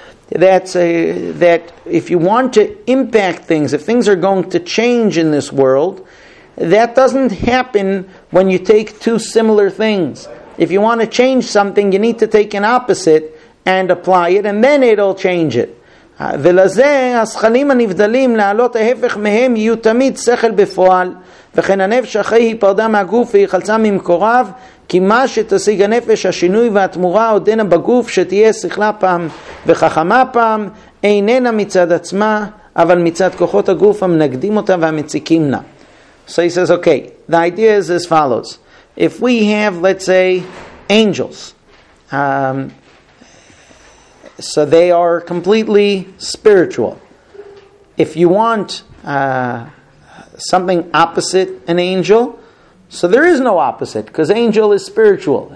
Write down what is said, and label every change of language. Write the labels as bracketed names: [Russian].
[English] That if you want to impact things, if things are going to change in this world, that doesn't happen when you take two similar things. If you want to change something, you need to take an opposite and apply it, and then it'll change it. [Hebrew] ולזה הסכנים הנבדלים להעלות ההפך מהם יהיו תמיד שכל בפועל, וכן הנפש אחרי היפרדה מהגוף ויחלצה ממקוריו, כי מה שתשיג הנפש, השינוי והתמורה עודנה בגוף, שתהיה שכלה פעם וחכמה פעם, איננה מצד עצמה, אבל מצד כוחות הגוף המנגדים אותה והמציקים לה. [English] So he says, okay, the idea is as follows. If we have, let's say, angels, so they are completely spiritual. If you want something opposite an angel, so there is no opposite, because angel is spiritual.